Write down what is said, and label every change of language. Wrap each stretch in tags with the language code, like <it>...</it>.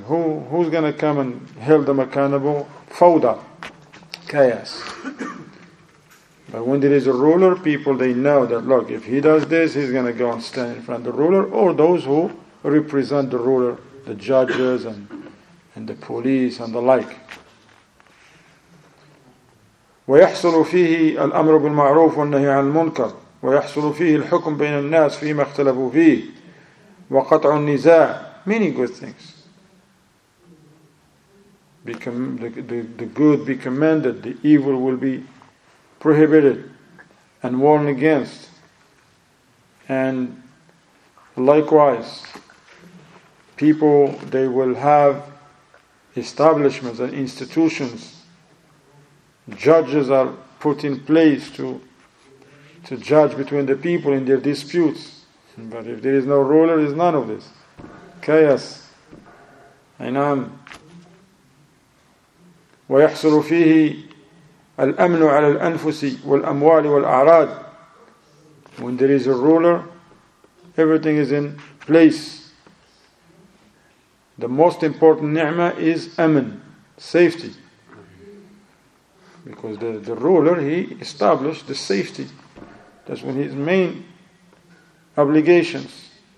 <en>Who's going to come and hold them accountable? Fawda. Chaos. But when there is a ruler, people, they know that, look, if he does this, he's going to go and stand in front of the ruler, or those who represent the ruler, the judges and the police and the like.</en> <ar>ويحصل فيه الأمر بالمعروف والنهي عن المنكر ويحصل فيه الحكم بين الناس فيما اختلفوا فيه وقطع النزاع.</ar> <en>Many good things. The good be commanded, the evil will be prohibited and warned against. And likewise, people, they will have establishments and institutions. Judges are put in place to judge between the people in their disputes. But if there is no ruler, there is none of this. Chaos. Aynam.</en> <ar>ويحصل فيه الأمن على الأنفس والأموال والأعراض.</ar> <en>When there is a ruler, everything is in place. The most important ni'mah is amn, safety. Because the ruler, he established the safety. That's one of his main obligations.</en>